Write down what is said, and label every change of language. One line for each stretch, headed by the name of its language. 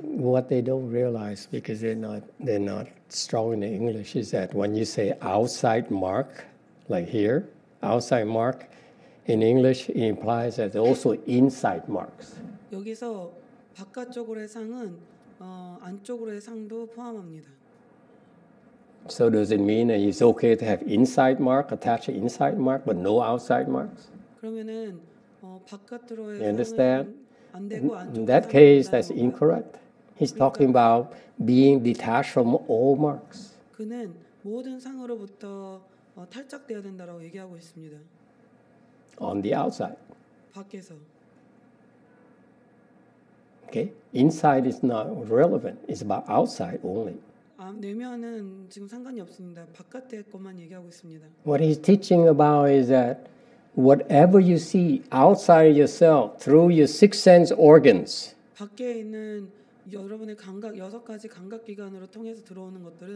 English: What they don't realize because they're not strong in English is that when you say outside mark, like here, outside mark, in English it implies that they're also inside marks.
Korean: 여기서 바깥쪽으로의 상은 안쪽으로의 상도 포함합니다.
English: So does it mean that it's okay to have inside mark, attach an inside mark, but no outside marks?
Korean: 그러면은
English: You understand? In that case, that's incorrect. He's talking about being detached from all marks.
Korean: 그는 모든 상으로부터 탈착되어야 된다라고 얘기하고 있습니다.
English: On the outside.
Korean: 밖에서.
English: Okay. Inside is not relevant. It's about outside only.
Korean: 내면은 지금 상관이 없습니다. 바깥에 것만 얘기하고 있습니다.
English: What he's teaching about is that. Whatever you see outside yourself through your six sense organs,
Korean: 밖에 있는 여러분의 감각 여섯 가지 감각 기관으로 통해서 들어오는 것들은